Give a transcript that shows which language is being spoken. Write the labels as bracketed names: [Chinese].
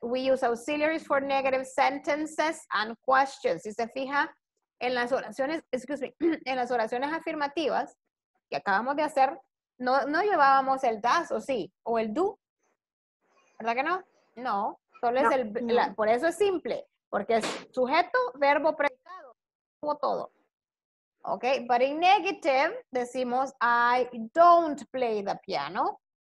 [English] We use auxiliaries for negative sentences and questions. [Spanish] Si se fija en las oraciones, [English] excuse me, [Spanish] en las oraciones afirmativas que acabamos de hacer, no llevábamos el does o sí, o el do. ¿Verdad que no? No, solo es por eso es simple, porque es sujeto, verbo, predicado, como todo. [English] Ok, but in negative decimos I don't play the piano.